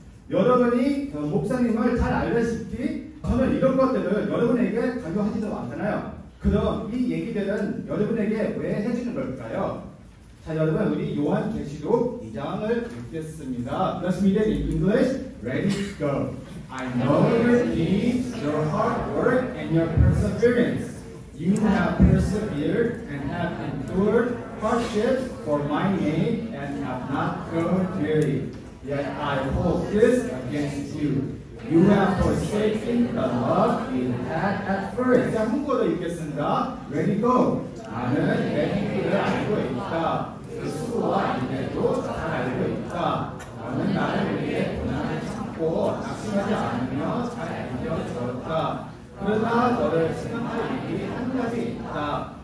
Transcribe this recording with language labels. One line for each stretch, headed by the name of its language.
Korean: 여러분이 그 목사님을 잘 알다시피 저는 이런 것들을 여러분에게 강요하지도 않잖아요. 그럼 이 얘기들은 여러분에게 왜 해주는 걸까요? 자, 여러분, 우리 요한계시록 2장을 읽겠습니다.
English: Let's read it in English. Ready, go. I know your deeds, your hard work, and your perseverance. You have persevered and have endured hardships for my name and have not grown weary. Yet I hold this against you. You have forsaken the love you had at first.
Korean: 자, 한국어로 읽겠습니다.
English: Ready, go.
Korean: 나는 내 힘을 알고 있다. 그 수고와 인내도 잘 알고 있다. 나는 나를 위해 고난을 참고 낙심하지 않으며 잘 견뎌주었다. 그러나 너를 생각할 일이 한 가지 있다.